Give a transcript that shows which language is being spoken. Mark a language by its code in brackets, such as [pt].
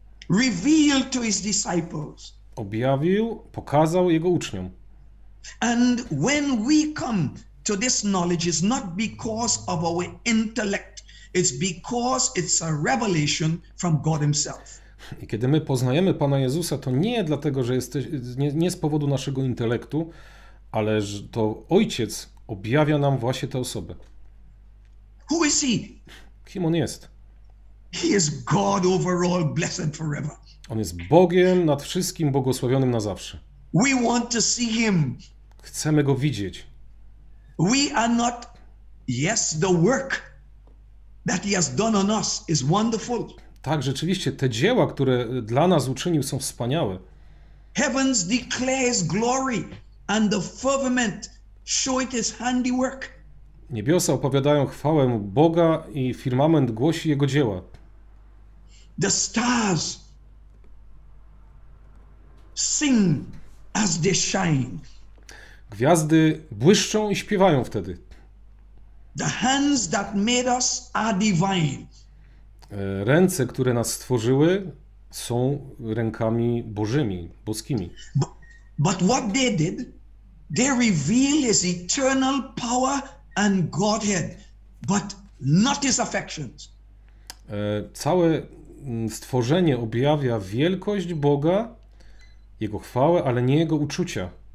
[en] Revealed to his disciples. [pl] Objawił, pokazał jego uczniom. [en] And when we come to this knowledge, it's not because of our intellect, it's because it's a revelation from God himself. [pl] I kiedy my poznajemy Pana Jezusa, to nie dlatego, że jesteś, nie z powodu naszego intelektu, ale że to Ojciec objawia nam właśnie tę osobę. [en] Who is he? [pl] Kim on jest? [en] He is God over all, blessed forever. [pl] On jest Bogiem nad wszystkim, błogosławionym na zawsze. [en] We want to see him. [pl] Chcemy go widzieć. [en] We are not, yes, the work that he has done on us is wonderful. [pl] Tak, rzeczywiście, te dzieła, które dla nas uczynił, są wspaniałe. [en] Heavens declare his glory and the firmament show it his handiwork. [pl] Niebiosa opowiadają chwałę Boga i firmament głosi jego dzieła. [en] The stars sing as they shine. [pl] Gwiazdy błyszczą i śpiewają wtedy. [en] The hands that made us are divine. [pl] Ręce, które nas stworzyły, są rękami bożymi, boskimi. [en] But what they did, they reveal his eternal power and Godhead, but not his affections. [pl] Całe stworzenie objawia wielkość Boga, jego chwałę, ale nie jego uczucia.